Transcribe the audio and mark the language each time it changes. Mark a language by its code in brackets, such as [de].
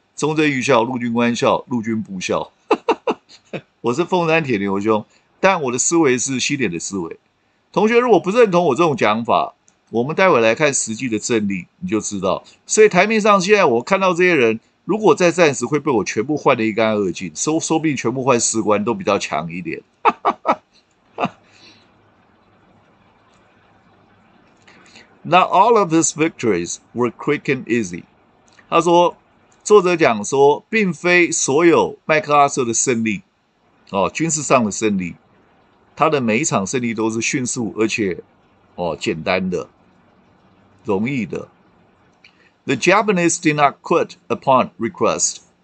[zh] 中正预校、陆军官校、陆军部校，我是凤山铁牛兄，但我的思维是西点的思维。同学，如果不认同我这种讲法，我们待会来看实际的政令，你就知道。所以台面上现在我看到这些人，如果再战时会被我全部换得一干二净，说不定全部换士官都比较强一点。 [en] Not all of his victories were quick and easy。 [zh] 他说，作者讲说，并非所有麦克阿瑟的胜利，哦，军事上的胜利，他的每一场胜利都是迅速而且，哦，简单的，容易的。 [en] The Japanese did not quit upon request。